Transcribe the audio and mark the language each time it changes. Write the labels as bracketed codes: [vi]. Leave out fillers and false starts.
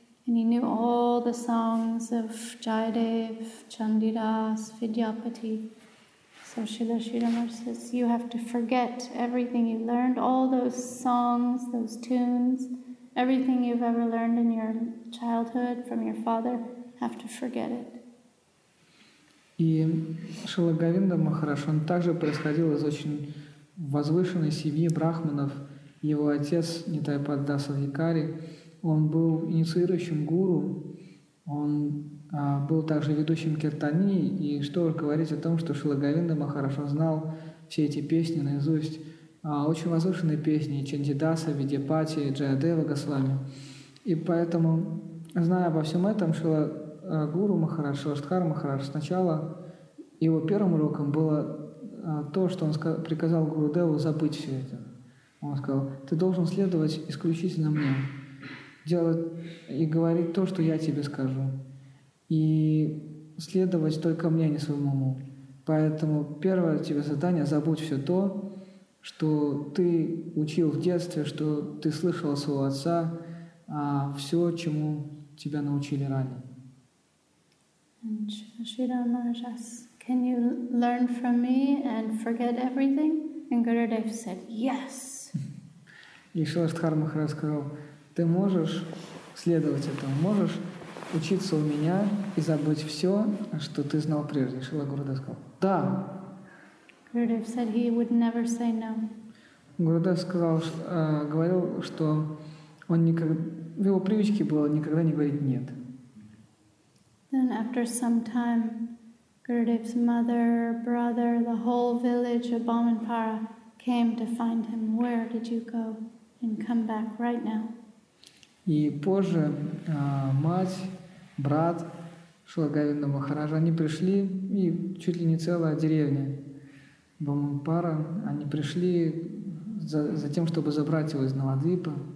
[en] And he knew all the songs of Jayadev, Chandidas, Vidyapati. So Srila Sridhar says, you have to forget everything you learned, all those songs, those tunes, everything you've ever learned in your childhood from your father, have to forget it. [ru] И Шрила Говинда Махарадж, он также происходил из очень возвышенной семьи брахманов. Его отец, Нитайпаддаса Викари, он был инициирующим гуру, он был также ведущим киртани, и что говорить о том, что Шрила Говинда Махарадж знал все эти песни наизусть, очень возвышенные песни Чандидаса, Видьяпати, Джаядева Госвами. И поэтому, зная обо всем этом, Шрила Гуру Махарадж, Шриштхара Махарадж, сначала его первым уроком было то, что он приказал Гурудеву забыть все это. Он сказал, ты должен следовать исключительно мне, делать и говорить то, что я тебе скажу, и следовать только мне, а не своему уму. Поэтому первое тебе задание – забудь все то, что ты учил в детстве, что ты слышал от своего отца, все, чему тебя научили ранее. [en] And Sridhar Maharaj asked, can you learn from me and forget everything? And Gurudev said, yes. [ru] И Шрила Шридхар Махарадж сказал, ты можешь следовать этому, можешь учиться у меня и забыть все, что ты знал прежде. Шрила Гурудев сказал, да. [en] Gurudev said he would never say no. [ru] Гурудев сказал, говорил, что он никогда, в его привычке было никогда не говорить нет. [en] Then after some time, Gurudev's mother, brother, the whole village of Bamanpara came to find him. Where did you go? And come back right now. [ru] И позже мать, брат Шрила Говинда Махараджа, они пришли, и чуть ли не целая деревня Бамунпара, они пришли за тем, чтобы забрать его из Навадвипа.